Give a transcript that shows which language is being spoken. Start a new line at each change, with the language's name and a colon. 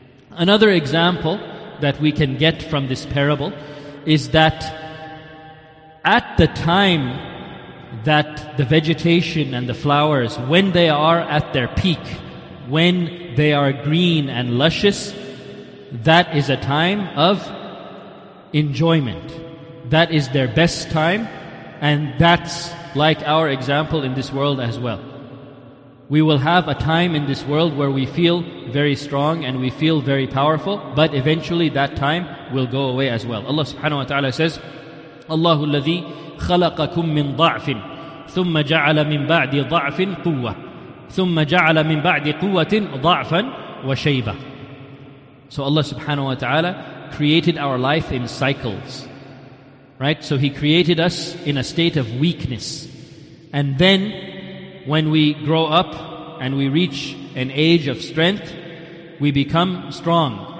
English: Another example that we can get from this parable is that at the time that the vegetation and the flowers, when they are at their peak, when they are green and luscious, that is a time of enjoyment. That is their best time, and that's like our example in this world as well. We will have a time in this world where we feel very strong and we feel very powerful, but eventually that time will go away as well. Allah subhanahu wa ta'ala says, Allah
Arabic: الذي خلقكم من ضعف ثم جعل من بعد ضعف قوة ثم جعل من بعد قوة ضعفا وشيبة.
English: So Allah subhanahu wa ta'ala created our life in cycles, right? So He created us in a state of weakness. And then when we grow up and we reach an age of strength, we become strong.